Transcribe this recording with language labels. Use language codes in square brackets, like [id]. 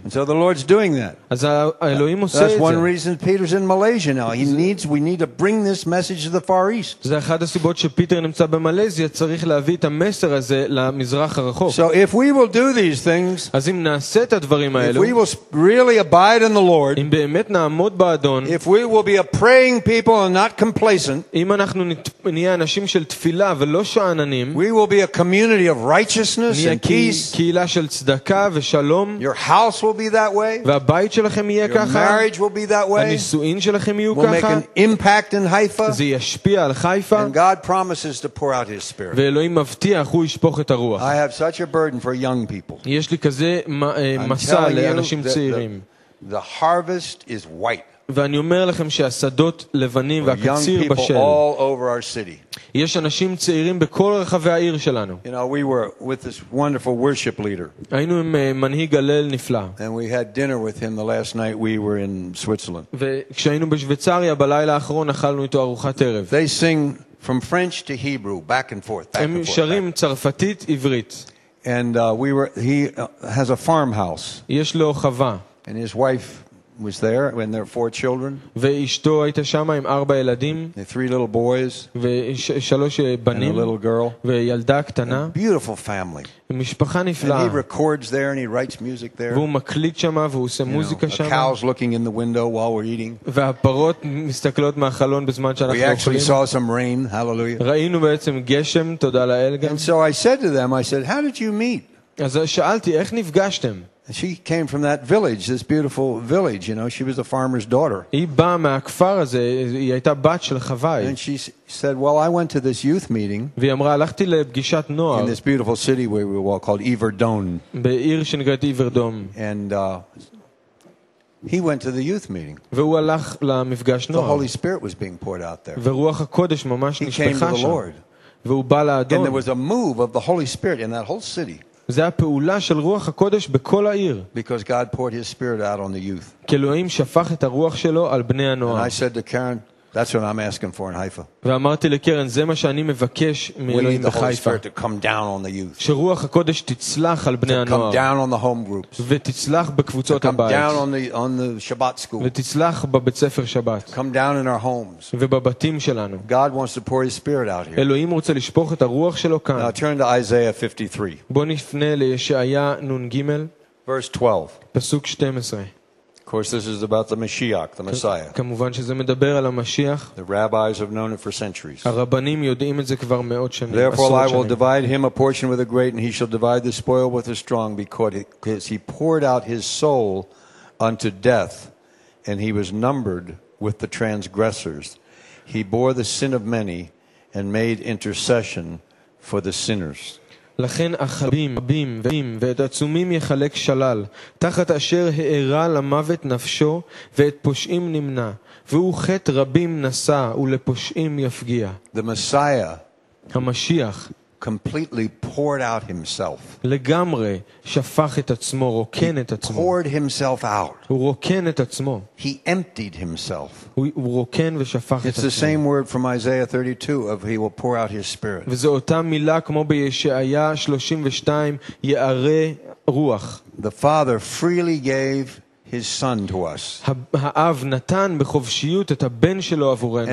[en] And so the Lord's doing that. [he] אז אלוהים עושה את זה. [en] That's one reason Peter's in Malaysia now. We need to bring this message to the Far East. [he] זה אחד הסיבות שפיטר נמצא במלזיה, צריך להביא את המסר הזה למזרח הרחוק. [en] So if we will do these things, [he] אז אם נעשה את הדברים האלו, [en] if we will really abide in the Lord, [he] אם באמת נעמוד באדון, [en] if we will be a praying people and not complacent, [he] אם אנחנו נהיה אנשים של תפילה ולא שאננים, [en] we will be a community of righteousness and peace. [he] נהיה קהילה של צדקה ושלום. [en] Your house will be that way. [he] והבית שלכם יהיה ככה. [en] Your marriage will be that way. [he] הנישואים שלכם יהיו ככה. [en] We'll make an impact in Haifa. [he] זה ישפיע על חיפה. [en] And God promises to pour out his spirit. [he] ואלוהים מבטיח, הוא ישפוך את הרוח. [en] I have such a burden for young people. [he] יש לי כזה מסע לאנשים צעירים. [en] The harvest is white. [he] ואני אומר לכם שהשדות לבנים והקציר בשל. [en] All over our city. [he] יש אנשים צעירים בכל רחבי העיר שלנו. [en] You know, we were with this wonderful worship leader. [he] היינו עם מנהיג הלל נפלא. [en] And we had dinner with him the last night we were in Switzerland. [he] וכשהיינו בשוויצריה בלילה האחרון אכלנו איתו ארוחת ערב. [en] They sing from French to Hebrew back and forth. [he] הם שרים צרפתית עברית. [en] And he has a farmhouse. [he] יש לו חווה. [en] And his wife was there when there were four children. [he] ואשתו הייתה שם עם ארבע ילדים. [en] Three little boys. [he] ושלוש בנים. [en] And a little girl. [he] וילדה קטנה. [en] Beautiful family. [he] משפחה נפלאה. [en] And he records there and he writes music there. [he] והוא מקליט שם והוא עושה מוזיקה שם. [en] The cows looking in the window while we're eating. [he] והפרות מסתכלות מהחלון בזמן שאנחנו אוכלים. [en] We actually saw some rain. Hallelujah. [he] ראינו בעצם גשם, תודה לאל גם. [en] And so I said to them, I said, "How did you meet?" [he] אז שאלתי, איך נפגשתם? [en] She came from that village, this beautiful village, you know, she was a farmer's daughter. [he] היא באה מהכפר הזה, היא הייתה בת של חווי. [en] And she said, "Well, I went to this youth meeting." [he] והיא אמרה, הלכתי לפגישת נוער. [en] In this beautiful city where we were called Yverdon. [he] בעיר שנקראת Yverdon. [en] And he went to the youth meeting. [he] והוא הלך למפגש נוער. [en] The Holy Spirit was being poured out there. [he] ורוח הקודש ממש נשפכה שם. [en] He came to the Lord. [he] והוא בא לאדון. [en] And there was a move of the Holy Spirit in that whole city. [he] זה הפעולה של רוח הקודש בכל העיר. [en] Because God poured his spirit out on the youth. [he] כי אלוהים שפך את הרוח שלו על בני הנוער. [en] And I said to Karen, "That's what I'm asking for in Haifa." [he] ואמרתי לקרן, זה מה שאני מבקש מאלוהים בחיפה. [en] We need the Holy Spirit to come down on the youth. [he] שרוח הקודש תצלח על בני הנוער. [en] To come down on the home groups. [he] ותצלח בקבוצות הבית. [en] To come down on the Shabbat school. [he] ותצלח בבית ספר שבת. [en] To come down in our homes. [he] ובבתים שלנו. [en] God wants to pour his spirit out here. [he] אלוהים רוצה לשפוך את הרוח שלו כאן. [en] Now turn to Isaiah 53. [he] בוא נפנה לישעיה נון גימל. [en] Verse 12. [he] פסוק 12. [en] Of course, this is about the Mashiach, the Messiah. [he] כמובן שזה מדבר על המשיח. [en] The rabbis have known it for centuries. [he] הרבנים יודעים את זה כבר מאות שנים. [en] Therefore, I will divide him a portion with the great, and he shall divide the spoil with the strong, because he poured out his soul unto death, and he was numbered with the transgressors. He bore the sin of many, and made intercession for the sinners. [he] לכן אחדים רבים ועם ואת עצומים יחלק שלל תחת אשר הערה למוות נפשו ואת פושעים נמנע והוא חטא רבים נסע ולפושעים יפגיע. [en] The Messiah, [he] המשיח, [en] completely poured out himself. [he] לגמרי שפך את עצמו, רוקן את עצמו. [en] Poured himself out. [he] הוא רוקן את עצמו. [en] He emptied himself. [he] הוא רוקן ושפך את עצמו. [en] It's the same word from Isaiah 32 of he will pour out his spirit. [he] וזו אותה מילה כמו בישעיה 32 יערה רוח. [en] The Father freely gave his son to us. [he] האב נתן בחופשיות את הבן שלו עבורנו.